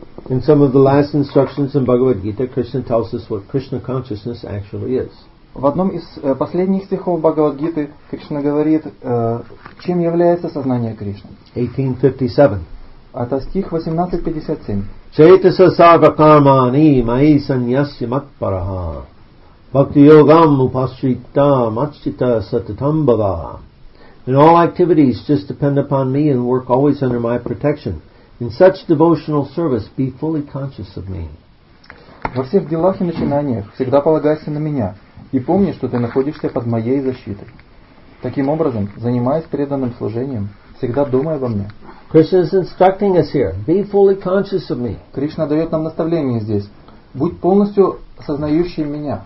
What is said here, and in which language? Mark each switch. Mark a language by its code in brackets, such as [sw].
[en] In some of the last instructions in Bhagavad Gita, Krishna tells us what Krishna consciousness actually is. [ru] В одном из последних стихов Бхагавад Гиты Кришна говорит, чем является сознание Кришны. [en] 1857. [ru] Это стих 1857. [sa] Чайтаса сарва кармани маи саньяси матпараха. Бхакти йогам упасрита маччита сататам бхаваха. [en] And all activities just depend upon me and work always under my protection. In such devotional service, be fully conscious of me. [ru] Во всех делах и начинаниях всегда полагайся на меня. И помни, что ты находишься под моей защитой. Таким образом, занимаясь преданным служением, всегда думай обо мне. [en] Krishna is instructing us here. Be fully conscious of me. [ru] Кришна дает нам наставление здесь. Будь полностью сознающим меня.